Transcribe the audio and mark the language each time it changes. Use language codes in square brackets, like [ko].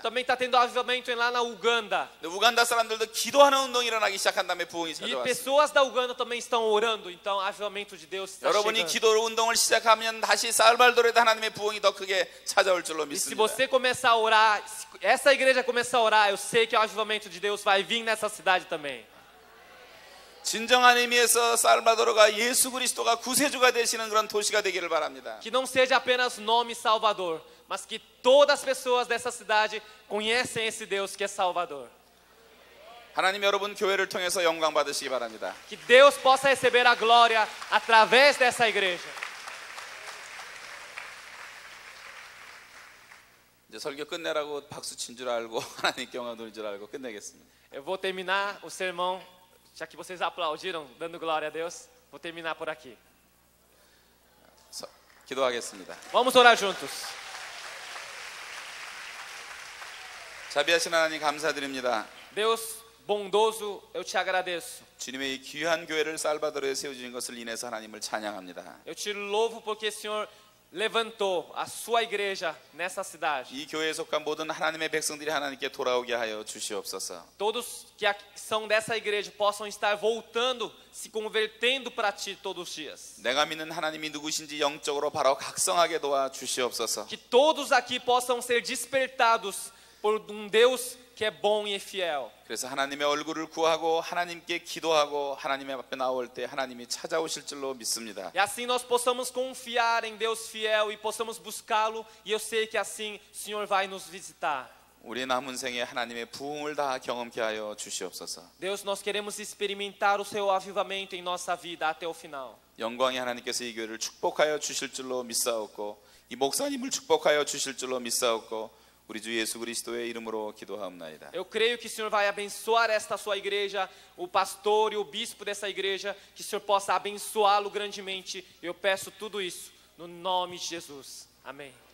[pt] Também está tendo avivamento lá na Uganda. [ko] 우간다 사람들도 기도하는 운동이 일어나기 시작한 다음에 부흥이 찾아왔습니다. [pt] E pessoas da Uganda também estão orando, então avivamento de Deus está [ko] 여러분이 여러분이 기도 운동을 시작하면 다시 살발도르에도 하나님의 부흥이 더 크게 찾아올 [pt] E se você começar a orar, essa igreja começar a orar, eu sei que o avivamento de Deus vai vir nessa cidade também. [ko] 진정한 의미에서 살바도르가 예수 그리스도가 구세주가 되시는 그런 도시가 되기를 바랍니다. [pt] Que não seja apenas nome Salvador, mas que todas as pessoas dessa cidade conheçam esse Deus que é Salvador. [ko] 하나님 여러분 교회를 통해서 영광 받으시기 바랍니다. [pt] Que Deus possa receber a glória através dessa igreja. [ko] 이제 설교 끝내라고 박수 친 줄 알고 하나님께 영광 돌릴 줄 알고 끝내겠습니다. [pt] Eu vou terminar o sermão, já que vocês aplaudiram dando glória a Deus, vou terminar por aqui. [ko] 기도하겠습니다. [pt] Vamos orar juntos. [ko] 자비하신 하나님 감사드립니다. [pt] Deus bondoso, eu te agradeço. [ko] 주님의 이 귀한 교회를 살바도르에 세워주신 것을 인해서 하나님을 찬양합니다. [pt] Eu te louvo porque Senhor levantou a sua igreja nessa cidade. [ko] 이 교회에 속한 모든 하나님의 백성들이 하나님께 돌아오게 하여 주시옵소서. [pt] Todos que são dessa igreja possam estar voltando, se convertendo para ti todos os dias. [ko] 내가 믿는 하나님이 누구신지 영적으로 바로 각성하게 도와 주시옵소서. [pt] Que todos aqui possam ser despertados por Deus que é bom e fiel. [ko] 그래서 하나님의 얼굴을 구하고 하나님께 기도하고 하나님 앞에 나올 때 하나님이 찾아오실 줄로 믿습니다. [pt] E assim nós possamos confiar em Deus fiel e possamos buscá-lo e eu sei que assim o Senhor vai nos visitar. [ko] 우리 남은 생에 하나님의 부흥을 다 경험케 하여 주시옵소서. [pt] Deus, nós queremos experimentar o seu avivamento em nossa vida até o final. [ko] 영광의 하나님께서 이 교회를 축복하여 주실 줄로 믿사옵고 이 목사님을 축복하여 주실 줄로 믿사옵고 우리 주 예수 그리스도의 이름으로 기도하옵나이다. [pt] Eu creio que o Senhor vai abençoar esta sua igreja, o pastor e o bispo dessa igreja, que o Senhor possa abençoá-lo grandemente. Eu peço tudo isso no nome de Jesus. Amém.